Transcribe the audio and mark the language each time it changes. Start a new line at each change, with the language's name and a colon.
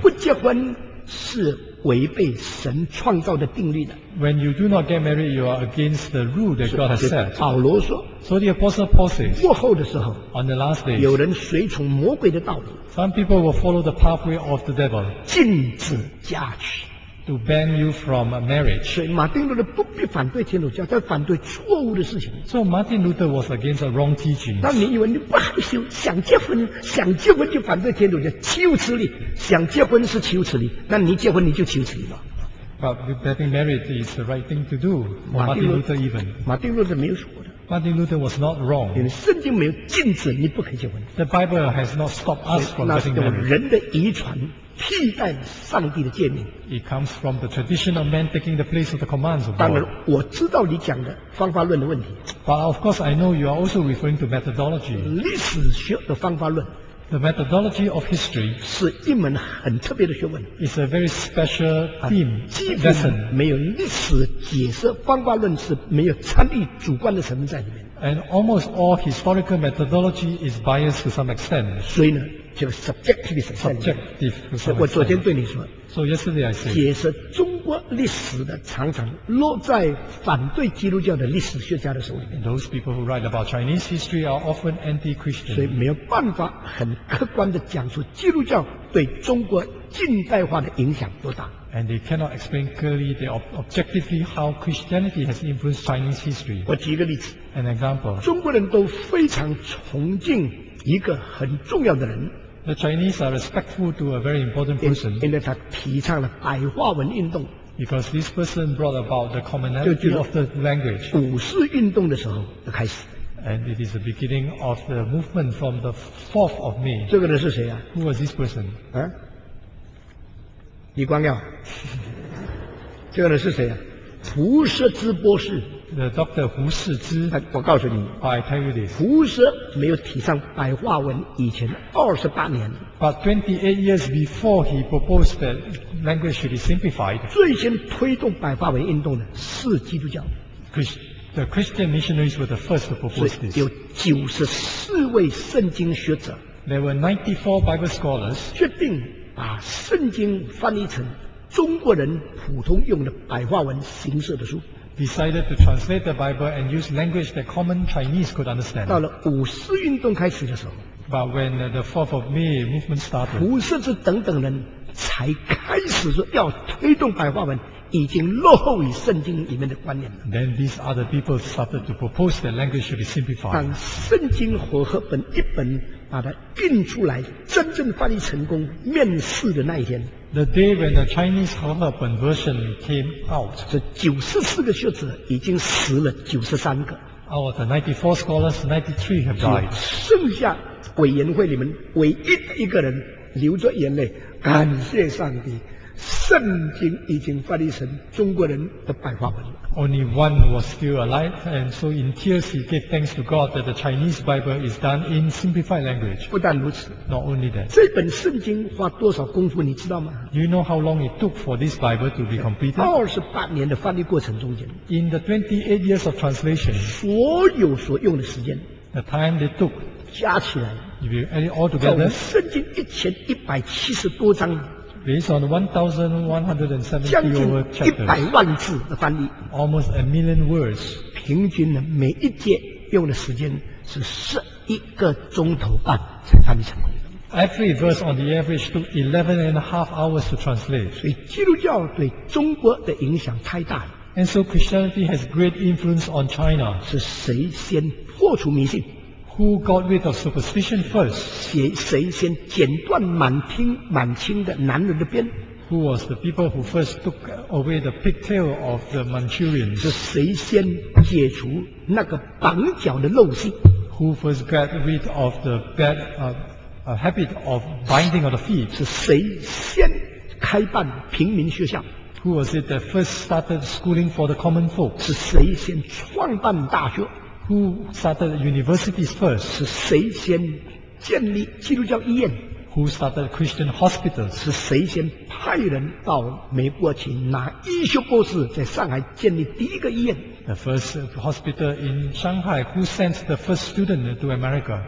Chinese: 不结婚是违背神创造的定律的。
English: When you do not get married, you are against the rule that God has set.
Chinese: 保罗说,
English: so the Apostle Paul says,
Chinese: 末后的时候,
English: on the last days,
Chinese: 有人随从魔鬼的道理,
English: some people will follow the pathway of the devil,
Chinese: 禁止嫁娶,
English: to ban you from marriage.
Chinese: 所以马丁路德不必反对天主教, 他反对错误的事情。
English: So Martin Luther was against the wrong teachings.
Chinese: 但你以为你不害羞, 想结婚, 想结婚就反对天主教, 岂有此理, 想结婚是岂有此理, 那你结婚你就岂有此理了。
English: But getting married is the right thing to do, Martin Luther even.
Chinese: Martin Luther 没有说的,
English: Martin Luther was not wrong.
Chinese: 圣经没有禁止你不可以结婚。
English: The Bible has not stopped us from getting married.
Chinese: 那是人的遗传,替代上帝的诫命。
English: It comes from the tradition of man taking the place of the commands of God.
Chinese: 当然，我知道你讲的方法论的问题。
English: But of course, I know you are also referring to methodology.
Chinese: 历史学的方法论。
English: The methodology of history
Chinese: 是一门很特别的学问。
English: It's a very special theme.
Chinese: 几乎没有历史解释方法论是没有参与主观的成分在里面。
English: And almost all historical methodology is biased to some extent.
Chinese: 所以呢？就是 subjective 的成分。Subjective 是我昨天对你说。
English: So yesterday I said.
Chinese: 解释中国历史的常常落在反对基督教的历史学家的手里面。
English: Those people who write about Chinese history are often anti-Christian.
Chinese: 所以没有办法很客观地讲出基督教对中国近代化的影响多大。
English: And they cannot explain clearly, they objectively how Christianity has influenced Chinese history.
Chinese: 我举一个例子。
English: An example.
Chinese: 中国人都非常崇敬。一个很重要的人
English: ，The Chinese are respectful to a very important person，
Chinese: 因为他提倡了白话文运动
English: ，Because this person brought about the commonality of the language。
Chinese: 五四运动的时候的开始
English: ，And it is the beginning of the movement from the 4th of May。
Chinese: 这个人是谁啊
English: ？Who was this person？
Chinese: 啊？李光耀。这个人是谁啊？胡适之博士。
English: The Dr. 胡适之，
Chinese: 我告诉你
English: ，I tell you this，
Chinese: 胡适没有提倡白话文以前28年
English: ，But 28 years before he proposed that language should be simplified，
Chinese: 最先推动白话文运动的是基督教
English: ，The Christian missionaries were the first to propose this，
Chinese: 有94位圣经学者
English: ，There were 94 Bible scholars，
Chinese: 决定把圣经翻译成中国人普通用的白话文形式的书。
English: Decided to translate the Bible and use language that common Chinese could understand.
Chinese: 到了五四运动开始的时候
English: ，But when the 4th of May movement started,
Chinese: 胡适之等等人才开始说要推动白话文，已经落后于圣经里面的观念了。
English: Then these other people started to propose that language should be simplified.
Chinese: 当圣经和合本一本把它印出来，真正翻译成功面世的那一天。
English: The day when the Chinese Herbal version came out，
Chinese: 这94个学者已经死了93个。
English: Out of the 94 scholars, 93 have died。
Chinese: 剩下委员会里面唯一的一个人流着眼泪，感谢上帝，圣经已经翻译成中国人的白话文。
English: Only one was still alive, and so in tears he gave thanks to God that the Chinese Bible is done in simplified language.
Chinese: 不但如此
English: ，Not only that.
Chinese: 这本圣经花多少功夫，你知道吗
English: ？You know how long it took for this Bible to be completed?
Chinese: 28年的翻译过程中间
English: ，In the 28 years of translation,
Chinese: 所有所用的时间
English: ，The time they took
Chinese: 加起来
English: ，If you add it all together,
Chinese: 总圣经1170多章。
English: Based on 1,170 over chapters, almost 1,000,000 words.
Chinese: 平均呢，每一节用的时间是11.5个钟头才翻译成功。
English: Every verse on the average took 11.5 hours to translate.
Chinese: 所以基督教对中国的影响太大了。
English: And so Christianity has great influence on China.
Chinese: 是谁先破除迷信？
English: Who got rid of superstition first?
Chinese: 谁先剪断满清的男人的辫？
English: Who was the people who first took away the pigtail of the Manchurians?
Chinese: 是谁先解除那个绑脚的陋习？
English: Who first got rid of the bad habit of binding of the feet?
Chinese: 是谁先开办平民学校？
English: Who was it that first started schooling for the common folk?
Chinese: 是谁先创办大学？
English: Who started universities first?
Chinese: 是谁先建立基督教医院？
English: Who started Christian hospitals?
Chinese: 是谁先派人到美国去拿医学博士，在上海建立第一个医院？
English: The first hospital in Shanghai. Who sent the first student to America?